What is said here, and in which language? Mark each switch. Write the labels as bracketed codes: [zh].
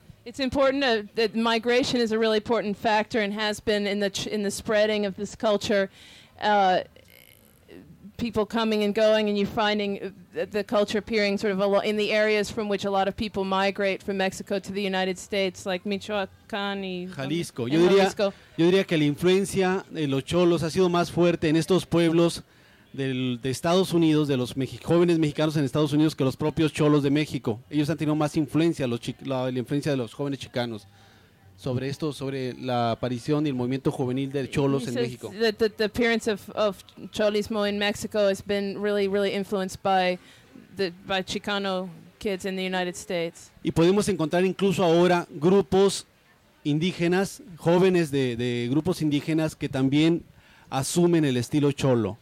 [en] It's important that migration is a really important factor and has been in the spreading of this culture. People coming and going, and you finding the culture appearing sort of in the areas from which a lot of people migrate from Mexico to the United States, like Michoacán y Jalisco. [es] Yo diría que la influencia de los cholos ha sido más fuerte en estos pueblos de Estados Unidos, de los jóvenes mexicanos en Estados Unidos, que los propios cholos de México. Ellos han tenido más influencia, la influencia de los jóvenes chicanos. Sobre esto, sobre la aparición y el movimiento juvenil de cholos en México. [en] The appearance of cholismo in Mexico has been really, really influenced by Chicano kids in the United States. [es] Y podemos encontrar incluso ahora grupos indígenas, jóvenes de grupos indígenas que también asumen el estilo cholo.